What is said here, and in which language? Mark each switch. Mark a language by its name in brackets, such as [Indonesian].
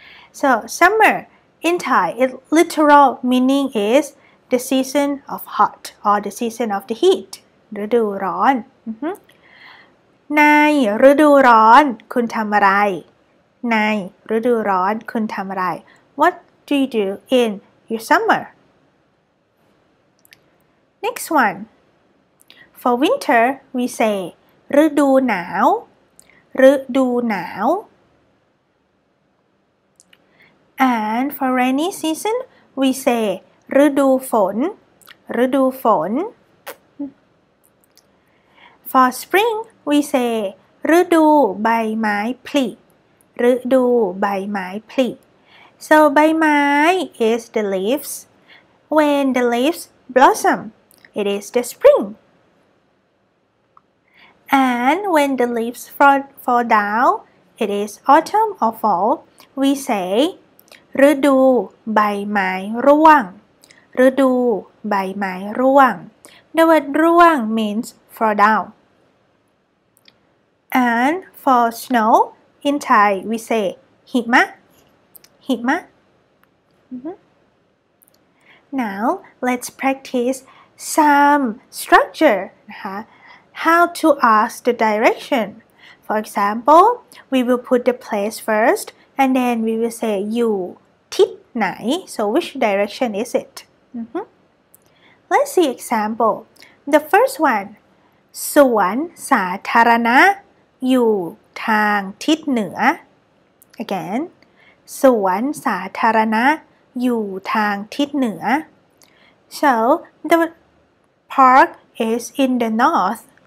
[English] So summer in Thai, its literal meaning is the season of hot or the season of the heat.ฤดูร้อน [Thai] ในฤดูร้อนคุณทำอะไรในฤดูร้อนคุณทำอะไร [English] What do you do in your summer? Next one. For winter, we say ฤดูหนาวฤดูหนาว And for rainy season, we say ฤดูฝนฤดูฝน For spring, we say ฤดูใบไม้ผลิฤดูใบไม้ผลิ So ใบไม้ is the leaves. When the leaves blossom, it is the spring. And when the leaves fall down, it is autumn or fall. We say ฤดูใบไม้ร่วงฤดูใบไม้ร่วง The word ร่วง means fall down. And for snow, in Thai, we say หิมะหิมะ Now, let's practice some structure. How to ask the direction. For example, we will put the place first, and then we will say [Thai] อยู่ทิศไหน [English] So which direction is it? Let's see example. The first one, [Thai] สวนสาธารณะอยู่ทางทิศเหนือ [English] Again, สวนสาธารณะอยู่ทางทิศเหนือ So, the park is in the north.